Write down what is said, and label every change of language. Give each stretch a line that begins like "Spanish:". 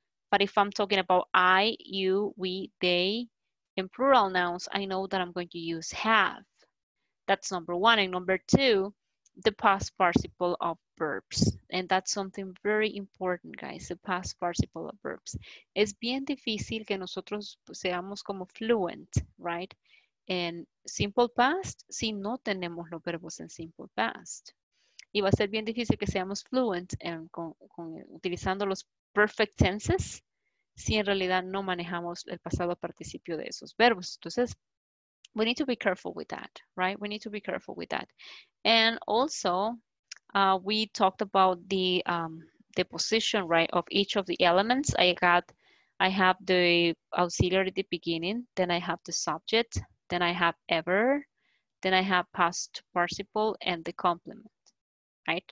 English: But if I'm talking about I, you, we, they, and plural nouns, I know that I'm going to use have. That's number one. And number two, the past participle of verbs. And that's something very important, guys, the past participle of verbs.
Spanish: Es bien difícil que nosotros seamos como fluent, right? En simple past, si no tenemos los verbos en simple past. Y va a ser bien difícil que seamos fluent en, utilizando los perfect tenses, si en realidad no manejamos el pasado participio de esos verbos.
English: Entonces, we need to be careful with that, right? We need to be careful with that. And also, we talked about the position, right, of each of the elements. I have the auxiliary at the beginning, then I have the subject, then I have ever, then I have past participle and the complement, right?